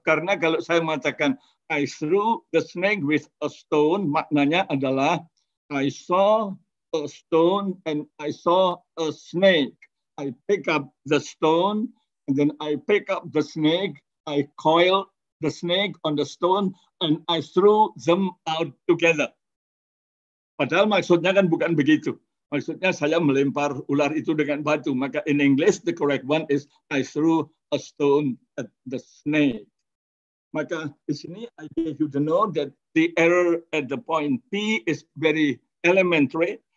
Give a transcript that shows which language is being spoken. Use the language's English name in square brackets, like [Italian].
[Indonesian] Karena kalau saya mengatakan, [English] I threw the snake with a stone, [Indonesian] maknanya adalah, [English] I saw a stone and I saw a snake. I pick up the stone and then I pick up the snake. I coiled the snake on the stone and I threw them out together. [Indonesian] Padahal maksudnya kan bukan begitu. Maksudnya saya melempar ular itu dengan batu. [English] Maka in English, the correct one is I threw a stone at the snake. [Indonesian] Maka di sini [English] I gave you the note that the error at the point P is very elementary.